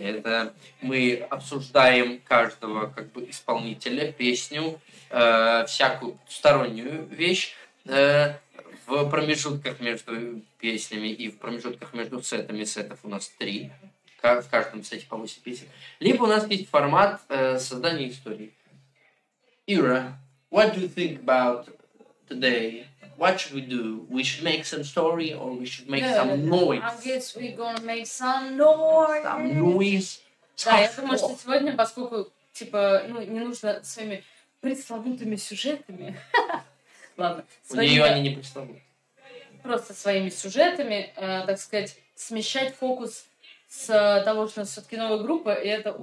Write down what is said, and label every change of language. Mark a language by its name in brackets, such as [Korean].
[Russian] Это мы обсуждаем каждого, как бы, исполнителя, песню, всякую стороннюю вещь, в промежутках между песнями и в промежутках между сетами. Сетов у нас 3. В каждом сете по 8 песен. Либо у нас есть формат создания истории. [English] Ира, what do you think about today? What should we do? We should make some story or we should make some noise? I guess we're gonna make some noise. Some noise. [Russian] Да, я думаю, что сегодня, поскольку типа, ну, не нужно своими пресловутыми сюжетами... Ладно. У нее они не представляют. Просто своими сюжетами, так сказать, смещать фокус с того, что у нас все-таки новая группа, и это...